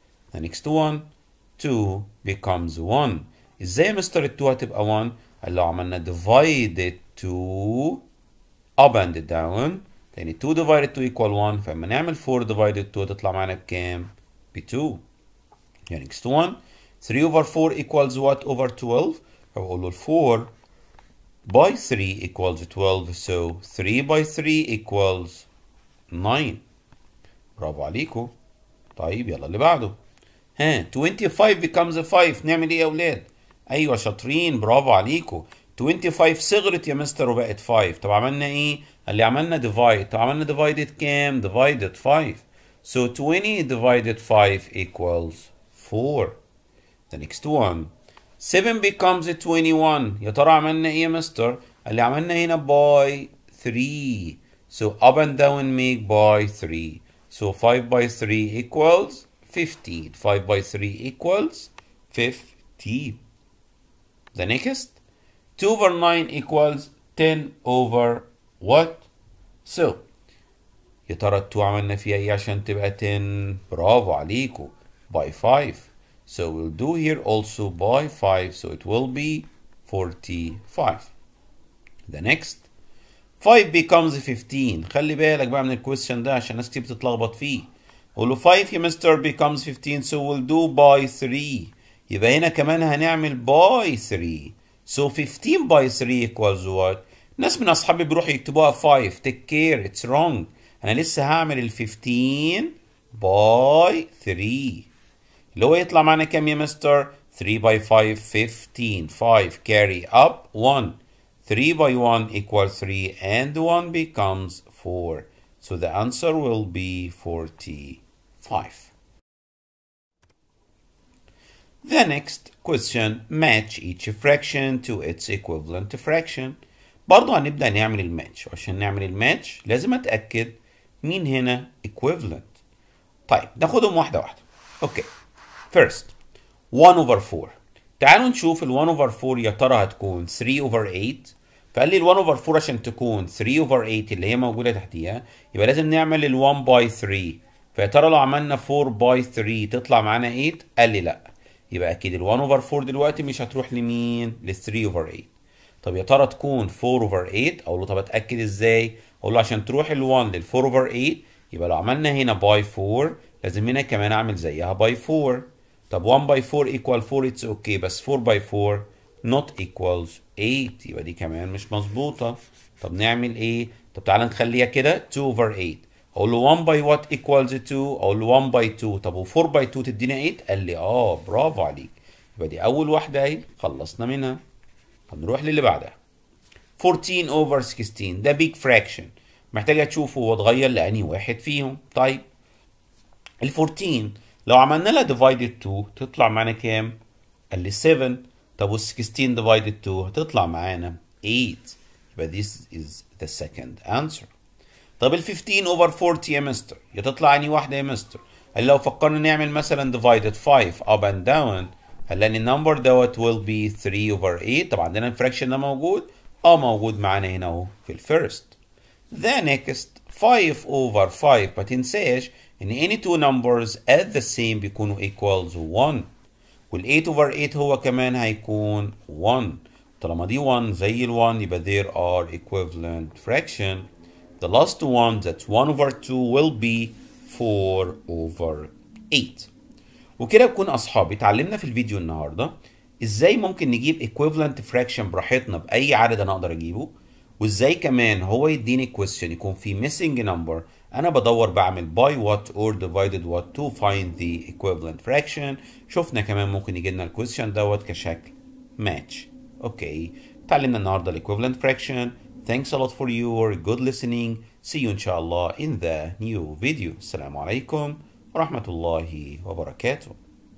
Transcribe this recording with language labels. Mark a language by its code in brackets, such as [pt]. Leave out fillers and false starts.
[en] The next one 2 becomes 1. [ar] ازاي مستر 2 هتبقى 1؟ قال لو عملنا [en] divided 2 up and down [ar] يعني 2 divided 2 equal 1 فما نعمل 4 divided 2 تطلع معنا بكام؟ ب 2. [en] The next one 3 over 4 equals what over 12؟ [ar] فبقول له [en] 4 by 3 equals 12 so 3 by 3 equals 9. [ar] برافو عليكو. طيب يلا اللي بعده. ها 25 becomes 5 نعمل ايه يا اولاد؟ ايوه شاطرين برافو عليكو. 25 صغرت يا مستر وبقت 5 طب عملنا ايه؟ اللي عملنا divide طب عملنا divided كام؟ divided 5 [en] so 20 divided 5 equals 4. The next one 7 becomes 21 [ar] يا ترى عملنا ايه يا مستر؟ اللي عملنا هنا [en] by 3 so up and down make by 3 so 5 by 3 equals 15. 5 by 3 equals 15. The next 2 over 9 equals 10 over what so [ar] يا ترى 2 عملنا فيها ايه عشان تبقى [en] 10؟ برافو عليكو by 5 so we'll do here also by 5 so it will be 45. The next 5 becomes 15. [ar] خلي بالك بقى من الكويستشن ده عشان ناس كتير بتتلخبط فيه. قول له 5 يا مستر [en] becomes 15 so we'll do by 3. [ar] يبقى هنا كمان هنعمل by 3. [en] So 15 by 3 equals what؟ [ar] ناس من اصحابي بيروحوا يكتبوها 5. [en] Take care, it's wrong. [ar] انا لسه هعمل ال 15 by 3. اللي هو يطلع معانا كام يا مستر؟ 3 by 5 15. [en] 5 carry up 1. 3 by 1 equals 3 and 1 becomes 4. So the answer will be 45. The next question, match each fraction to its equivalent fraction. [ar] برضو هنبدأ نعمل الماتش. عشان نعمل الماتش لازم أتأكد مين هنا equivalent. طيب ناخدهم واحدة واحدة. [en] Okay. First, 1 over 4. [ar] تعالوا نشوف ال 1 over 4 يا ترى هتكون 3 over 8. فقال لي ال 1 over 4 عشان تكون 3 over 8 اللي هي موجودة تحتيها يبقى لازم نعمل ال 1 by 3. فيا ترى لو عملنا 4 by 3 تطلع معانا 8؟ قال لي لا. يبقى أكيد ال 1 over 4 دلوقتي مش هتروح لمين؟ لل 3 over 8. طب يا ترى تكون 4 over 8؟ أقول له طب أتأكد إزاي؟ أقول له عشان تروح ال 1 لل 4 over 8 يبقى لو عملنا هنا by 4 لازم هنا كمان أعمل زيها by 4. [en] طب 1 by 4 equal 4 it's okay بس 4 by 4 not equals 8 [ar] يبقى دي كمان مش مظبوطة. طب نعمل ايه؟ طب تعالى نخليها كده 2 over 8. اقول له 1 by what equals 2؟ اقول له 1 by 2. طب و [en] 4 by 2 [ar] تدينا 8؟ قال لي اه برافو عليك. يبقى دي اول واحدة اهي خلصنا منها. هنروح للي بعدها 14 over 16 ده big fraction محتاجة تشوفه وتغير لأني واحد فيهم. طيب ال 14 لو عملنا لها divided 2 تطلع معانا كام؟ قال لي 7. طب وال 16 divided 2 هتطلع معانا 8. يبقى [en] this is the second answer. [ar] طب ال 15 over 40 يا مستر يا تطلع اني واحده يا مستر؟ قال لو فكرنا نعمل مثلا divided 5 up and down هنلاقي النمبر دوت will be 3 over 8. طب عندنا الفراكشن ده موجود؟ اه موجود معانا هنا اهو في الفيرست. [en] The next 5 over 5 [ar] ما تنساش ان [en] any two numbers at the same بيكونوا equals 1. [ar] وال 8 over 8 هو كمان هيكون 1. طالما دي 1 زي ال 1 يبقى [en] there are equivalent fraction. The last one that's 1 over 2 will be 4 over 8. [ar] وكده بكون اصحابي اتعلمنا في الفيديو النهارده ازاي ممكن نجيب equivalent fraction براحتنا باي عدد انا اقدر اجيبه، وازاي كمان هو يديني question يكون في missing number انا بدور بعمل by what or divided what [en] to find the equivalent fraction. [ar] شفنا كمان ممكن يجي لنا الكويستشن دوت كشكل match. اوكي تعلمنا النهارده ال [en] equivalent fraction. Thanks a lot for your good listening. See you [ar] ان شاء الله [en] in the new video. [ar] السلام عليكم ورحمة الله وبركاته.